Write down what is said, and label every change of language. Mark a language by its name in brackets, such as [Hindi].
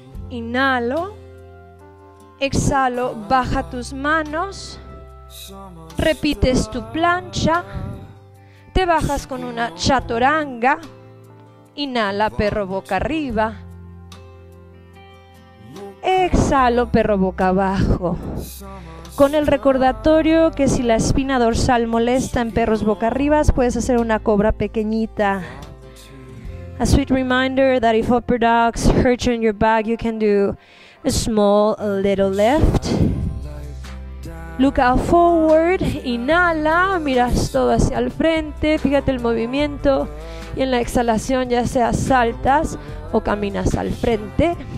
[Spanish] Inhalo. Exhalo, baja tus manos, repites tu plancha, te bajas con una chaturanga, inhala, perro boca arriba, exhalo, perro boca abajo. Con el recordatorio que si la espina dorsal molesta en perros boca arriba, puedes hacer una cobra pequeñita. [English] A sweet reminder that if upper dogs hurt you in your back, you can do a small, a little lift. Look out forward, [Spanish] inhala, miras todo hacia el frente, fíjate el movimiento. Y en la exhalación ya sea saltas o caminas al frente.